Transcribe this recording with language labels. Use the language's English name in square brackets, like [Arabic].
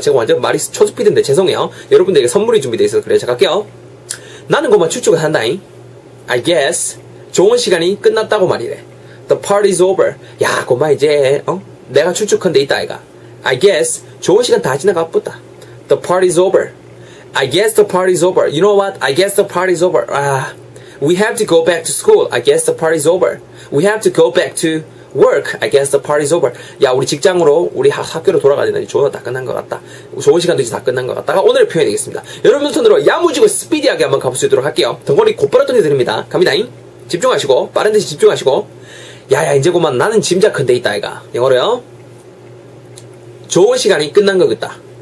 [Korean] 제가 완전 말이 초스피드인데 죄송해요. 여러분들에게 선물이 준비되어 있어서 그래요. 제가 갈게요. 나는 그만 추측을 한다잉. [English] I guess [Korean] 좋은 시간이 끝났다고 말이래. [English] The party is over. [Korean] 야, 고마 이제 내가 추측한데 있다 아이가. [English] I guess [Korean] 좋은 시간 다 지나갔다. [English] The party is over. I guess the party is over. You know what? I guess the party is over. We have to go back to school. I guess the party is over. We have to go back to work. I guess the party is over. [Korean] 야, 우리 직장으로 우리 학교로 돌아가야 되나? 좋은 시간 다 끝난 것 같다. 좋은 시간도 이제 다 끝난 것 같다가 오늘의 표현이겠습니다. 여러분 손으로 야무지고 스피디하게 한번 가볼 수 있도록 할게요. 덩어리 곧바로 던져드립니다. 갑니다잉. 집중하시고, 빠른 듯이 집중하시고. 야야, 이제 그만 나는 짐작컨대 있다 아이가. 영어로요, 좋은 시간이 끝난 것 같다.